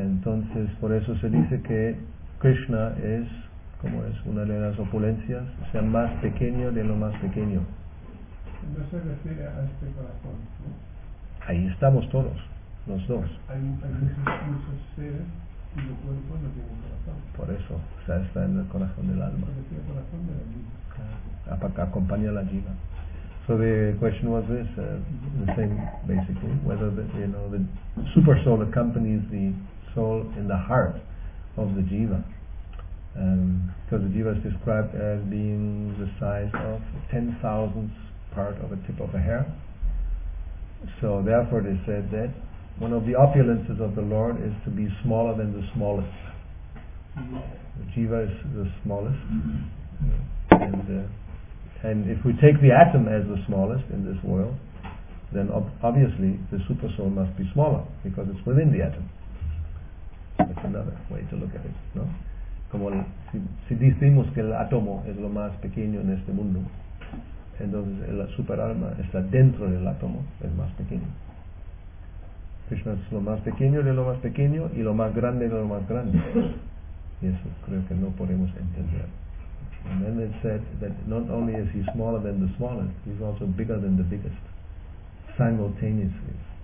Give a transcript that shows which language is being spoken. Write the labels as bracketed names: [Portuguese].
[Spanish] Entonces, por eso se dice que Krishna es, como es, una de las opulencias, o sea, más pequeño de lo más pequeño. No se refiere a este corazón, ¿no? Ahí estamos todos, los dos. Hay muchos seres cuyo cuerpo no tiene corazón. Por eso, o sea, está en el corazón del alma. Se refiere al corazón de la jiva. Claro. Acompaña a la jiva. [English] So the question was this, the same basically, whether the super soul accompanies the soul in the heart of the jiva. Because the jiva is described as being the size of 10,000th part of a tip of a hair. So therefore it is said that one of the opulences of the Lord is to be smaller than the smallest. The jiva is the smallest. And if we take the atom as the smallest in this world, then obviously the super soul must be smaller because it's within the atom. That's another way to look at it, ¿no? [Spanish] Como si decimos que el átomo es lo más pequeño en este mundo, entonces el super alma está dentro del átomo, el más pequeño. Krishna es lo más pequeño de lo más pequeño y lo más grande de lo más grande. eso creo que no podemos entender. [English] And then it said that not only is he smaller than the smallest, he's also bigger than the biggest, simultaneously.